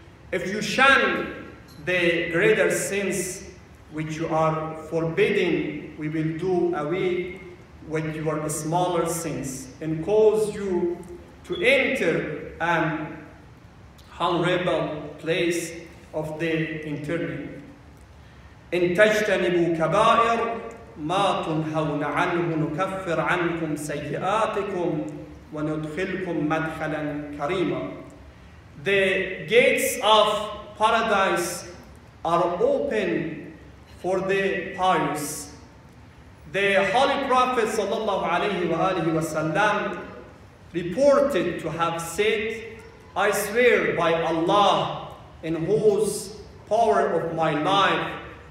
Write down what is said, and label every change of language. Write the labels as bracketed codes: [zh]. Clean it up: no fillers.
[en] If you shun the greater sins which you are forbidding, we will do away with your smaller sins and cause you to enter an honorable place of the eternity. [ar] إن تجتنبوا كبائر ما تنهون عنه نكفر عنكم سيئاتكم وندخلكم مدخلا كريما. [en] The gates of paradise are open for the pious. The Holy Prophet sallallahu alayhi wa alihi wa sallam reported to have said, I swear by Allah in whose power of my life,